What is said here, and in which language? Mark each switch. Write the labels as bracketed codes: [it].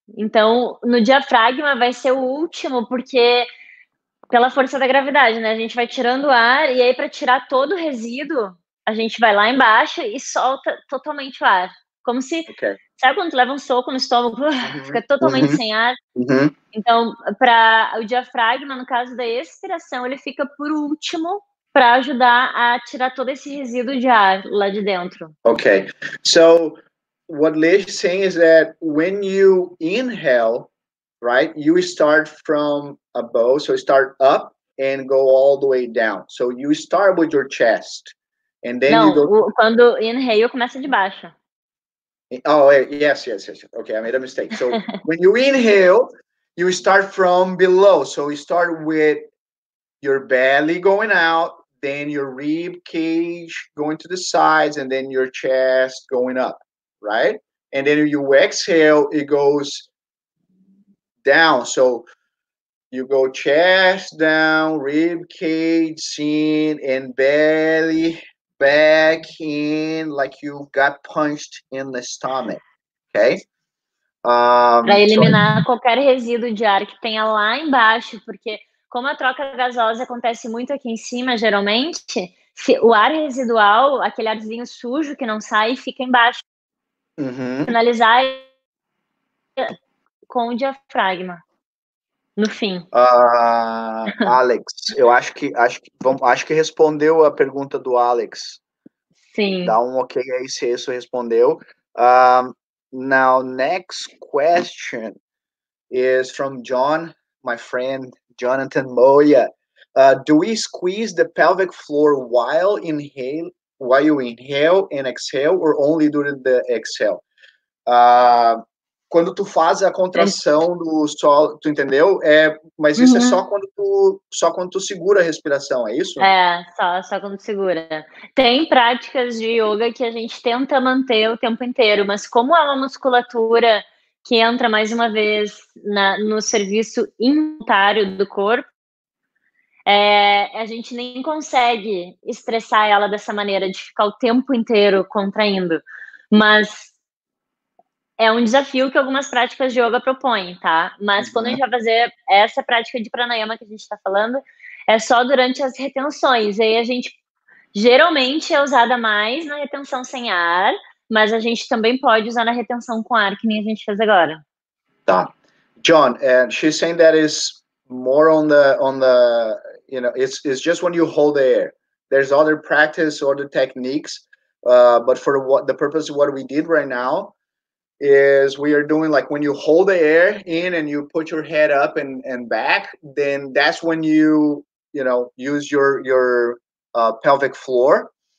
[pt] Então, no diafragma vai ser o último, porque pela força da gravidade, né? A gente vai tirando o ar, e aí para tirar todo o resíduo, a gente vai lá embaixo e solta totalmente o ar. Como se, [en] okay. [pt] Sabe quando tu leva um soco no estômago, fica totalmente sem ar? Uhum. Então, para o diafragma, no caso da expiração, ele fica por último para ajudar a tirar todo esse resíduo de ar lá de dentro. [en] Ok. So, what Leish is saying is that when you inhale, right, you start from above, so start up and go all the way down. So, you start with your chest. And then [pt] Não, [en] you go... [pt] quando inhale, começa de baixo. [en] Oh, yes. Okay, I made a mistake. So, when you inhale, you start from below. So, you start with your belly going out, then your rib cage going to the sides, and then your chest going up, right? And then you exhale, it goes down. So, you go chest down, rib cage in, and belly back in, like you got punched in the stomach, okay? [pt] Para eliminar qualquer resíduo de ar que tenha lá embaixo, porque como a troca gasosa acontece muito aqui em cima, geralmente, se o ar residual, aquele arzinho sujo que não sai, fica embaixo. Uhum. Finalizar com o diafragma. No fim. Alex, eu acho que respondeu a pergunta do Alex. Sim. Dá um ok aí se isso respondeu. [en] Now, next question is from John, my friend, Jonathan Moya. Do we squeeze the pelvic floor while you inhale and exhale, or only during the exhale? [pt] Quando tu faz a contração do solo, tu entendeu? Mas isso uhum. É só quando tu segura a respiração, é isso? É, só quando segura. Tem práticas de yoga que a gente tenta manter o tempo inteiro, mas como é uma musculatura que entra mais uma vez no serviço involuntário do corpo, a gente nem consegue estressar ela dessa maneira, de ficar o tempo inteiro contraindo. Mas é um desafio que algumas práticas de yoga propõem, tá? Mas quando a gente vai fazer essa prática de pranayama que a gente tá falando, é só durante as retenções. Aí a gente, geralmente, é usada mais na retenção sem ar, mas a gente também pode usar na retenção com ar, que nem a gente fez agora. Tá. [en] John, she's saying that is more on the, you know, it's just when you hold the air. There's other practice, other techniques, but for what the purpose of what we did right now, is we are doing like when you hold the air in and you put your head up and back, then that's when you use your pelvic floor.